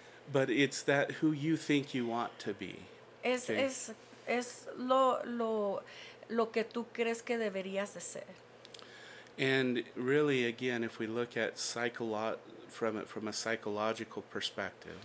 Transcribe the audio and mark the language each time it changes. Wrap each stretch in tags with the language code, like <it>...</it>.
<en>But it's that who you think you want to be.</en> <es>Es lo que tú crees que deberías de ser.</es> <en>And really, again, if we look at from a psychological perspective.</en>